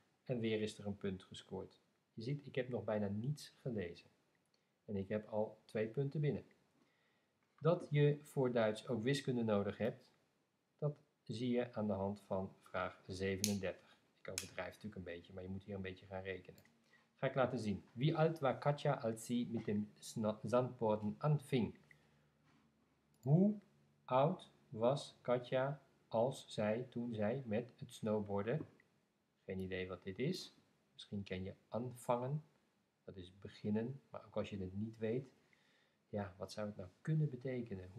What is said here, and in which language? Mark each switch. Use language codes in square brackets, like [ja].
[nl] En weer is er een punt gescoord. Je ziet, ik heb nog bijna niets gelezen. En ik heb al 2 punten binnen. Dat je voor Duits ook wiskunde nodig hebt, dat zie je aan de hand van vraag 37. Ik overdrijf natuurlijk een beetje, maar je moet hier een beetje gaan rekenen. Ga ik laten zien. [de] Wie alt war Katja, als sie mit dem Zandborden anfing? [nl] Hoe oud was Katja als zij, toen zij met het snowboarden, geen idee wat dit is, misschien ken je aanvangen, dat is beginnen, maar ook als je het niet weet, ja, wat zou het nou kunnen betekenen?